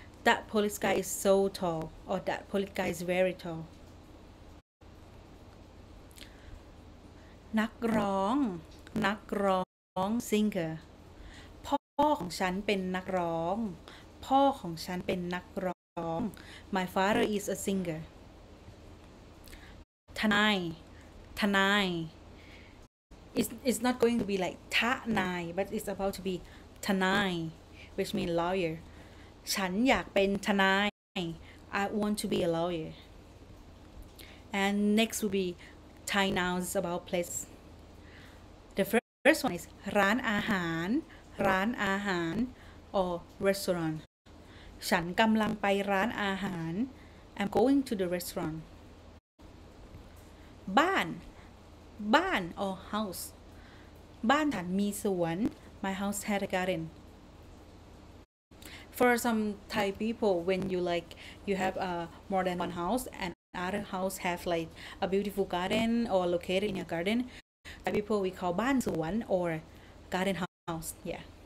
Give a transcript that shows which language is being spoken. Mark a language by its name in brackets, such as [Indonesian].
[English] That police guy is so tall, or that police guy is very tall. นักร้องนักร้อง singer [Thai] พ่อของฉันเป็นนักร้องพ่อของฉันเป็นนักร้อง [English] My father is a singer ทนายIt's not going to be like tanai, but it's about to be tanai, which means lawyer. [Thai] ฉันอยากเป็นทนาย [English] I want to be a lawyer. And next will be Thai nouns about place. The first one is ร้านอาหารร้านอาหาร or restaurant. [Thai] ฉันกำลังไปร้านอาหาร [English] I'm going to the restaurant. บ้านบ้าน or house [Thai] บ้านฉันมีสวน [English] my house had a garden for some Thai people when you like you have more than one house and other house have like a beautiful garden or located in your garden Thai people we call บ้านสวน or garden house yeah